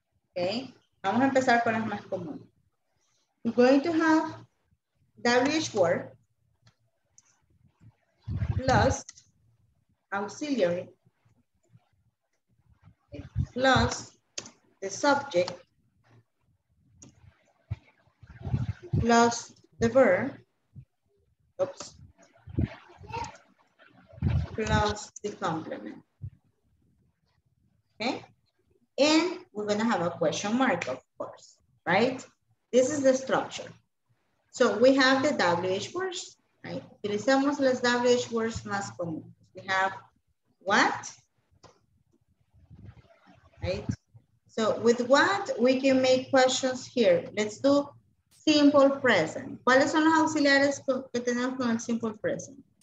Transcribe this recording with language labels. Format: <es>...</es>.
<es>Okay, vamos a empezar con las más comunes.</es> <en>I'm going to have WH word plus auxiliary plus the subject plus the verb, oops, plus the complement. Okay? And we're going to have a question mark, of course, right? This is the structure. So we have the WH words, right?</en> <es>Utilizamos las WH words más comunes.</es> <en>We have what, right? So with what, we can make questions here. Let's do simple present.</en> <es>¿Cuáles son los auxiliares que tenemos con el simple present?</es>